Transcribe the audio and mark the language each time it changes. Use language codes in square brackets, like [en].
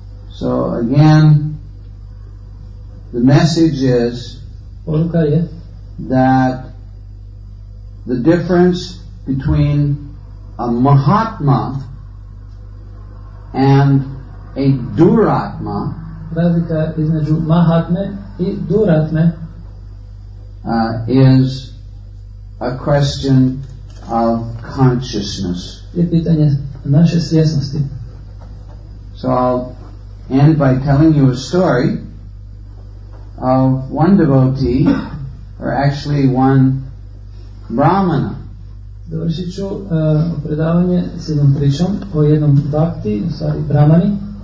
[en] So again, the message is that the difference between a Mahatma and a Duratma, [hr] razlika između Mahatme i Duratme, [en] is a question of consciousness. [hr] Je pitanje naše svjesnosti. [en] So I'll end by telling you a story of one devotee, or actually one brahmana. [hr] Dovršit ću predavanje s jednom pričom o jednom bhakti, [en] sorry, [hr] brahmani.